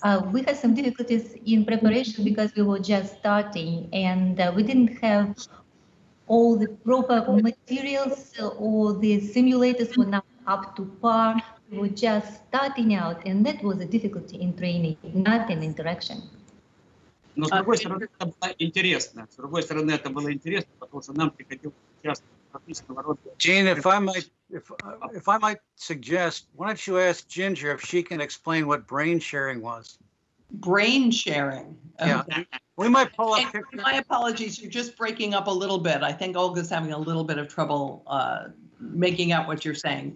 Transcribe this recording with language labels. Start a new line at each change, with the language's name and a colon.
English: We had some difficulties in preparation because we were just starting, and we didn't have all the proper materials, or the simulators were not up to par. We were just starting out, and that was a difficulty in training, not in interaction.
Russian: Но с другой стороны, это было интересно. С другой стороны, это было интересно, потому что нам приходилось участвовать
English: Jeanne, if I might suggest, why don't you ask Ginger if she can explain what brain sharing was? Brain sharing. Yeah. Okay. We might pull up. And my apologies. You're just breaking up a little bit. I think Olga's having a little bit of trouble making out what you're saying.